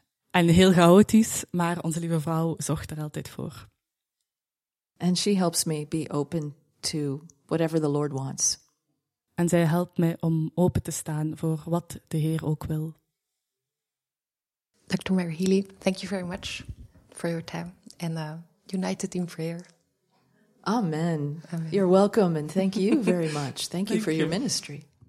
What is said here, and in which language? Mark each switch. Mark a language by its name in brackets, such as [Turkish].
[Dutch] En heel chaotisch, maar onze lieve vrouw zorgt er altijd voor. [English] And she helps me be open to whatever the Lord wants. [Dutch] En zij helpt mij om open te staan voor wat de Heer ook wil. [English] Dr. Mary Healy, thank you very much for your time and united in prayer. Amen. Amen. You're welcome and thank you very much. Thank you for your ministry.